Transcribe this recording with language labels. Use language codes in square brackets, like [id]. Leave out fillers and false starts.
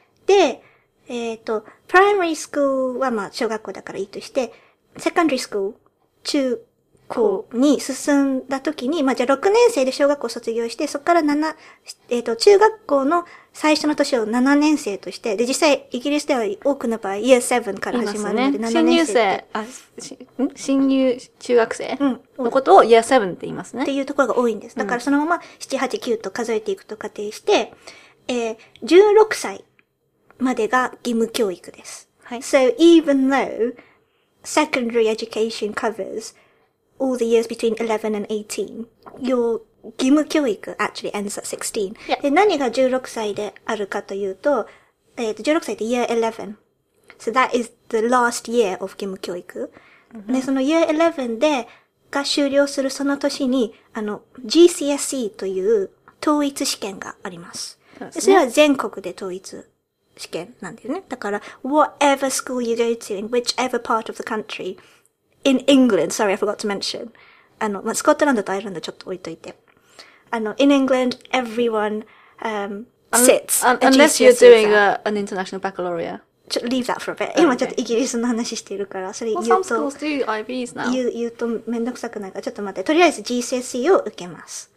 [ja] で、primary school はまあ小学校だからいいとして、secondary school 中高に進んだ時に、まあじゃあ6年生で小学校卒業して、そこから中学校の最初の年を7年生として、で実際イギリスでは多くの場合、year 7から始まるので、 7年生。新入生、新入中学生のことを year 7って言いますね。っていうところが多いんです。だからそのまま7、8、9と数えていくと仮定して、16歳。までが義務教育です。はい。 [en] So even though secondary education covers all the years between 11 and 18, your 義務教育 actually ends at 16. Yeah. [ja] で、何が16歳であるかというと、16歳って year 11. [en] So that is the last year of [ja] 義務教育。Mm-hmm. で、その year 11でが終了するその年に、GCSE という統一試験があります。そうですね。それは全国で統一。試験なんだよね。 [en] だから、whatever school you go to in whichever part of the country, in England, sorry, I forgot to mention. [ja] まあ、スコットランドとアイルランドちょっと置いといて。 [en] in England, everyone, sits. Unless you're doing an international baccalaureate. ちょっと leave that for a bit. [ja] 今ちょっとイギリスの話してるから、それ言うと。 [en] Well, some schools do IBs now. [ja] 言うとめんどくさくないから、ちょっと待って。とりあえず GCSE を受けます。